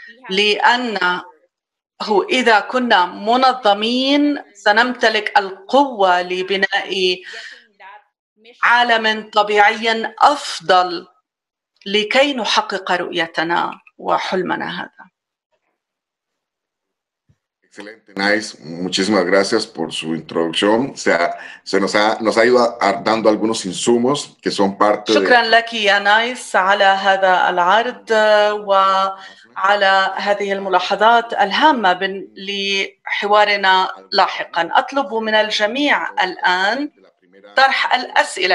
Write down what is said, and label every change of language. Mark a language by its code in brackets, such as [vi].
[ar] لأنه إذا كنا منظمين سنمتلك القوة لبناء عالم طبيعي أفضل لكي نحقق رؤيتنا وحلمنا هذا. [es] Excelente, nice. Muchísimas gracias por su introducción. O sea, se nos ha ido dando algunos insumos que son parte. [ar] شكرا لك يا نايس على هذا العرض وعلى هذه الملاحظات الهامة لحوارنا لاحقا. أطلب من الجميع الآن طرح الأسئلة.